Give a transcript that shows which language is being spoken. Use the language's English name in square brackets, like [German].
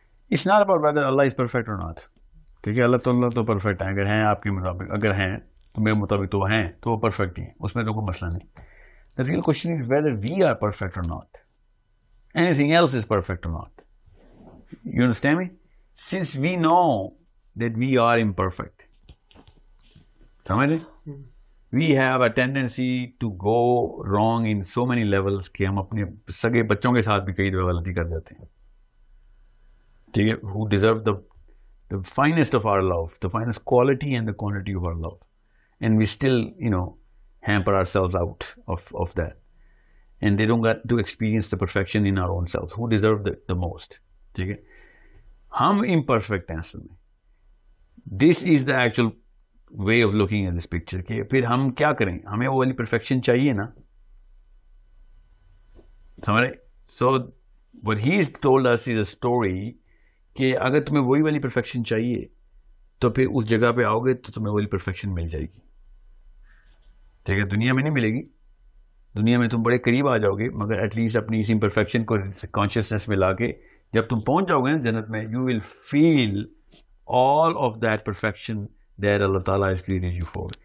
[English] It's not about whether Allah is perfect or not. [Urdu] کیونکہ اللہ تعالیٰ تو پرفیکٹ ہیں, اگر ہیں آپ کے مطابق, اگر ہیں تو میرے مطابق تو ہیں تو وہ پرفیکٹ ہی ہیں, اس میں تو کوئی مسئلہ نہیں. [English] The real question is whether we are perfect or not. Anything else is perfect or not. You understand me? Since we know that we are imperfect. [Urdu] سمجھ رہے؟ [English] We have a tendency to go wrong in so many levels [Urdu] کہ ہم اپنے سگے بچوں کے ساتھ بھی کئی دفعہ غلطی کر جاتے ہیں, ٹھیک ہے, [English] who deserve the finest of our love, the finest quality and the quantity of our love, and we still, you know, hamper ourselves out of that, and they don't get to experience the perfection in our own selves, who deserve the most, ٹھیک ہے. [Urdu] ہم imperfect ہیں اصل میں, [English] this is the actual way of looking at this picture, [Urdu] کہ پھر ہم کیا کریں, ہمیں وہ والی پرفیکشن چاہیے نا, سمجھے؟ [English] so what he is told us is a story [Urdu] کہ اگر تمہیں وہی والی پرفیکشن چاہیے تو پھر اس جگہ پہ آؤ گے تو تمہیں وہی پرفیکشن مل جائے گی, ٹھیک ہے, دنیا میں نہیں ملے گی, دنیا میں تم بڑے قریب آ جاؤ گے, مگر ایٹ لیسٹ اپنی اس امپرفیکشن کو کانشیسنیس میں لا کے جب تم پہنچ جاؤ گے نا جنت میں, [English] You will feel all of that perfection that Allah Ta'ala has created you for.